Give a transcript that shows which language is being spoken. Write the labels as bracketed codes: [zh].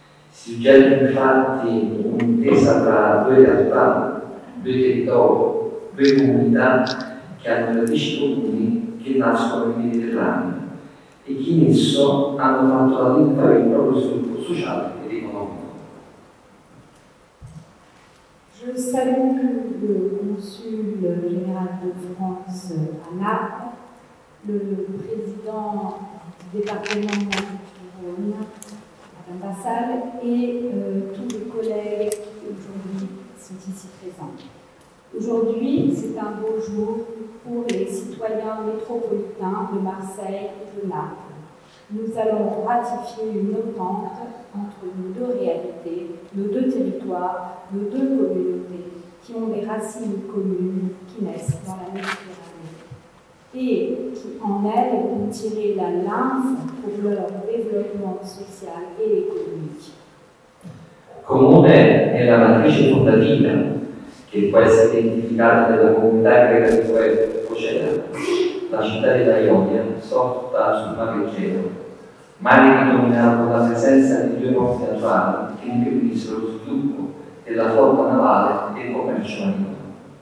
[it] Si genera infatti un'intesa tra due realtà, due territori, due comunità che hanno radici comuni che nascono nel Mediterraneo e che in esso hanno fatto la vita per il proprio sviluppo sociale ed economico. [fr] Je salue le consul général de France à Naples, le président du département de la Couronne, Madame Vassal, et tous les collègues qui aujourd'hui sont ici présents. Aujourd'hui, c'est un beau jour pour les citoyens métropolitains de Marseille et de Naples. Nous allons ratifier une entente entre nos deux réalités, nos deux territoires, nos deux communautés qui ont des racines communes qui naissent dans la Méditerranée et qui en elles ont tiré la lymphe pour leur développement social et économique. [it] Comune è la matrice fondativa che può essere identificata nella comunità greca di Focea, la città della Ionia, sorta sul Mar Egeo. Mare dominato la presenza di due porti naturali che impedissero lo sviluppo della flotta navale e il commercio marino.